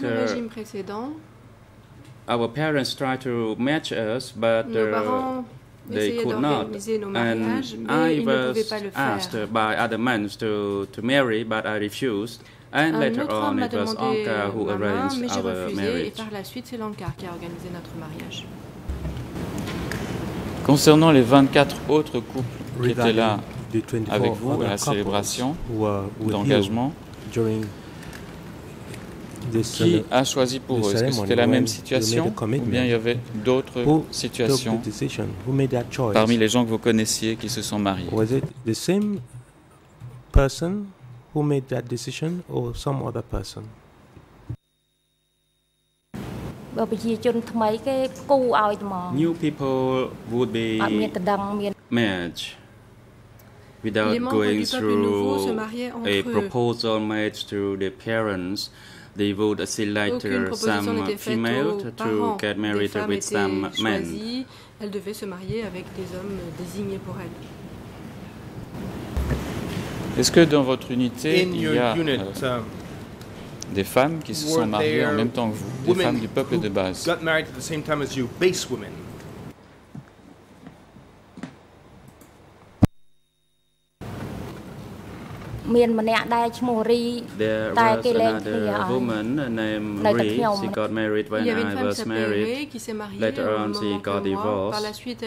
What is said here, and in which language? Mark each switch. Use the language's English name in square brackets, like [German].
[French] sous le régime précédent, [English] our parents tried to match us, but they could not. And I was asked by other men to marry, but I refused. And later on, it was Anka who arranged our marriage. [French] Et par la suite, c'est Anka qui a organisé notre mariage. Concernant les 24 autres couples qui étaient là avec vous à la célébration d'engagement, qui a choisi pour eux? Est-ce que c'était la même situation ou bien il y avait d'autres situations parmi les gens que vous connaissiez qui se sont mariés? [English] Was it the same person who made that decision or some other person? New people would be matched without going through a proposal made through their parents. They would select some female to get married with some men. [French] Elle devait se marier avec des hommes désignés pour elle. Est-ce que dans votre unité il y a des femmes qui se sont mariées en même temps que vous, des femmes du peuple de base? [English] Got married at the same time as you, base women. There was another woman named Ree. She got married when I was married. Later on, she got divorced.